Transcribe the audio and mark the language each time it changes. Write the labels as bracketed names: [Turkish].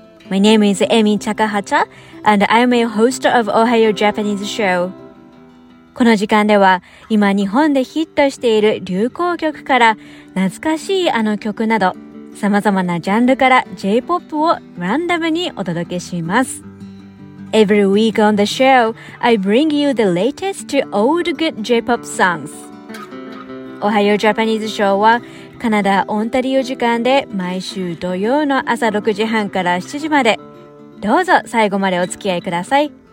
[English] My name is Emi Takahata, and I'm a host of おはよう Japanese Show. [Japanese] この時間では今日本でヒットしている流行曲から懐かしいあの曲など様々なジャンルから J-POP をランダムにお届けします。 [English] Every week on the show, I bring you the latest old good J-POP songs. [Japanese] おはようジャパニーズショーはカナダオンタリオ時間で毎週土曜の朝6時半から7時まで、どうぞ最後までお付き合いください。